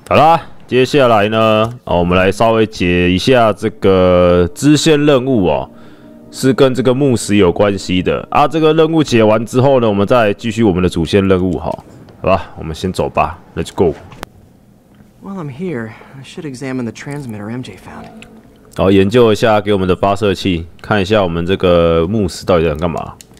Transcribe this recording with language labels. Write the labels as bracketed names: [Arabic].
[Chinese] 好啦，接下来呢，我们来稍微解一下这个支线任务哦，是跟这个牧师有关系的啊。这个任务解完之后呢，我们再继续我们的主线任务哈。好吧，我们先走吧 ， Let's go。 [English] While I'm here, I should examine the transmitter MJ found. [Chinese] 好，研究一下给我们的发射器，看一下我们这个牧师到底想干嘛。